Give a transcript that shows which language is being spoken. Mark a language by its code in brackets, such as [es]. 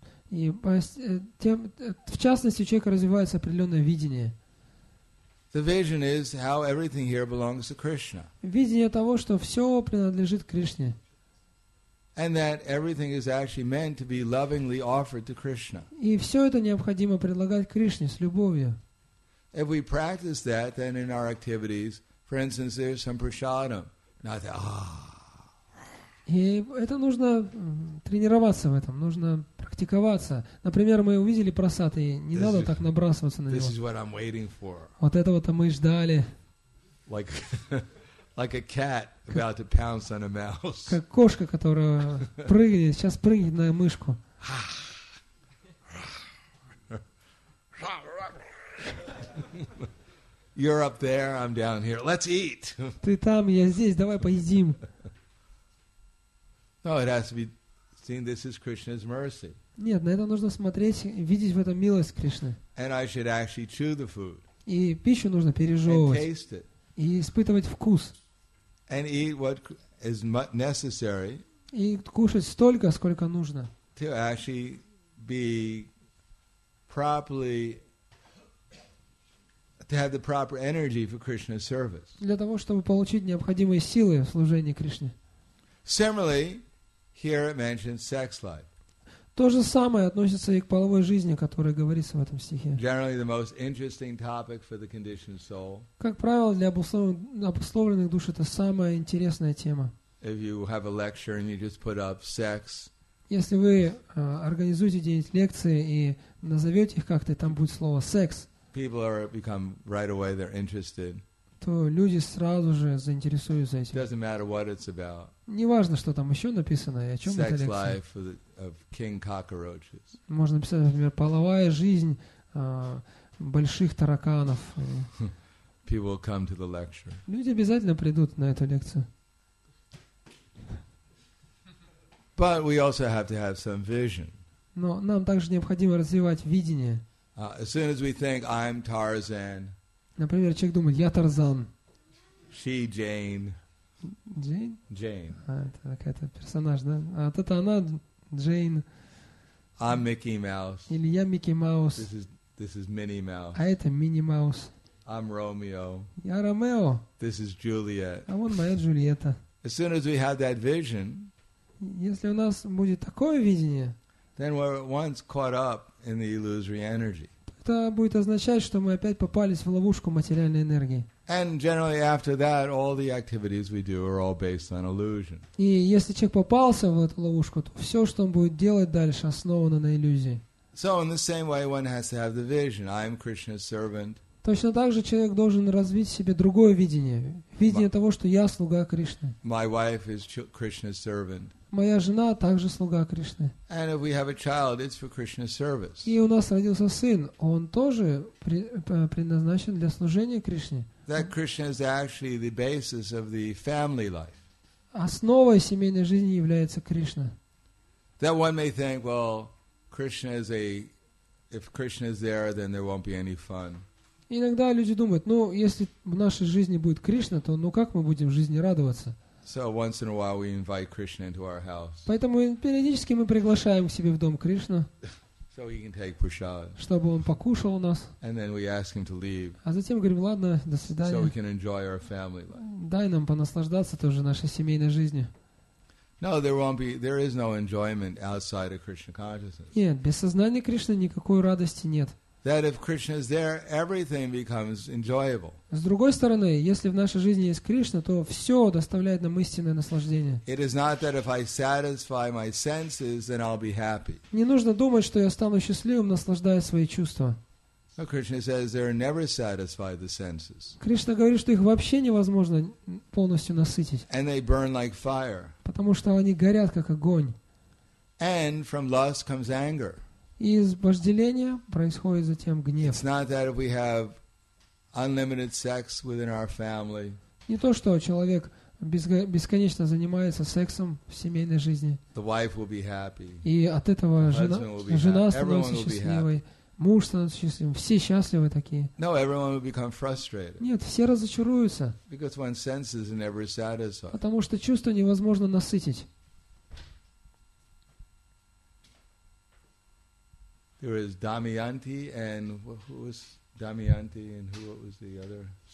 [ru] И тем, в частности, у человека развивается определенное видение. [en] The vision is how everything here belongs to Krishna. [ru] Видение того, что все принадлежит Кришне. [en] And that everything is actually meant to be lovingly offered to Krishna. [ru] И все это необходимо предлагать Кришне с любовью. [en] If we practice that, then in our activities, for instance, there's some prasadam. [ru] И это нужно тренироваться в этом, нужно практиковаться. Например, мы увидели просад, и не надо так набрасываться на него. [en] This is what I'm waiting for. [ru] Вот этого-то мы ждали. [en] Like a cat about to pounce on a mouse. [ru] Как кошка, которая прыгнет, сейчас прыгнет на мышку. [en] You're up there, I'm down here. Let's eat. [ru] Ты там, я здесь. Давай поедим. [en] No, it has to be seen. This is Krishna's mercy. [ru] Нет, на это нужно смотреть, видеть в этом милость Кришны. [en] And I should actually chew the food. [ru] И пищу нужно пережевывать. [en] And taste it. [ru] И испытывать вкус. [en] And eat what is necessary. [ru] И кушать столько, сколько нужно. [en] To actually be properly. To have the proper energy for Krishna's service. [ru] Для того, чтобы получить необходимые силы в служении Кришне. [en] Similarly, here it mentions sex life. [ru] То же самое относится и к половой жизни, которая говорится в этом стихе. [en] Generally, the most interesting topic for the conditioned soul. [ru] Как правило, для обусловленных душ это самая интересная тема. [en] If you have a lecture and you just put up sex, [ru] Если вы организуете 9 лекций и назовете их как-то, и там будет слово «секс», то люди сразу же заинтересуются этим. [en] Doesn't matter what it's about. [ru] Не важно, что там еще написано и о чем [en] Sex [ru] эта лекция. [en] Life of the, of king cockroaches. [ru] Можно написать, например, «половая жизнь больших тараканов». [en] People come to the lecture. [ru] Люди обязательно придут на эту лекцию. [en] But we also have to have some vision. [ru] Но нам также необходимо развивать видение. [en] As soon as we think I'm Tarzan. [ru] Например, человек думает, я Тарзан. [en] She Jane. Jane? Jane. [ru] А, это какая-то персонаж, да? А вот это она Джейн. [en] I'm Mickey Mouse. [ru] Или я Микки Маус. [en] This is Minnie Mouse. [ru] А это Минни Маус. [en] I'm Romeo. [ru] Я Ромео. [en] This is Juliet. [ru] А вот моя Джульетта. [en] As soon as we have that vision, [ru] если у нас будет такое видение, [en] then we're once caught up in the illusory energy. [ru] Это будет означать, что мы опять попались в ловушку материальной энергии. [en] And generally after that, all the activities we do are all based on illusion. [ru] И если человек попался в эту ловушку, то все, что он будет делать дальше, основано на иллюзии. [en] So in the same way, one has to have the vision. I am Krishna's servant. [ru] Точно так же человек должен развить в себе другое видение. Видение того, что я слуга Кришны. [en] My wife is Krishna's servant. [ru] Моя жена также слуга Кришны. [en] And if we have a child, it's for Krishna's service. [ru] И у нас родился сын. Он тоже предназначен для служения Кришне. [en] That Krishna is actually the basis of the family life. [ru] Основой семейной жизни является Кришна. [en] That one may think, well, Krishna is a... If Krishna is there, then there won't be any fun. [ru] Иногда люди думают, ну, если в нашей жизни будет Кришна, то ну как мы будем жизни радоваться? [en] So once in a while we invite Krishna into our house. [ru] Поэтому периодически мы приглашаем к себе в дом Кришну, [en] so he can take prasad. [ru] Чтобы он покушал у нас. [en] And then we ask him to leave. [ru] А затем говорим, ладно, до свидания. [en] So we can enjoy our family life. [ru] Дай нам понаслаждаться тоже нашей семейной жизнью. [en] No, there won't be, there is no enjoyment outside of Krishna consciousness. [ru] Нет, без сознания Кришны никакой радости нет. [en] That if Krishna is there, everything becomes enjoyable. [ru] С другой стороны, если в нашей жизни есть Кришна, то все доставляет нам истинное наслаждение. [en] It is not that if I satisfy my senses, then I'll be happy. [ru] Не нужно думать, что я стану счастливым, наслаждаясь свои чувства. [en] But Krishna says they're never satisfied the senses. [ru] Кришна говорит, что их вообще невозможно полностью насытить. [en] And they burn like fire. [ru] Потому что они горят как огонь. [en] And from lust comes anger. [ru] И из вожделения происходит затем гнев. [en] It's not that if we have unlimited sex within our family. [ru] Не то, что человек бесконечно занимается сексом в семейной жизни. [en] The wife will be happy. [ru] И от этого жена становится счастливой. Муж становится счастливым. Все счастливы такие. [en] No, everyone will become frustrated. [ru] Нет, все разочаруются. [en] Because one's senses are never satisfied. [ru] Потому что чувства невозможно насытить. [en] There is Damayanti and who was Damayanti and who was the other?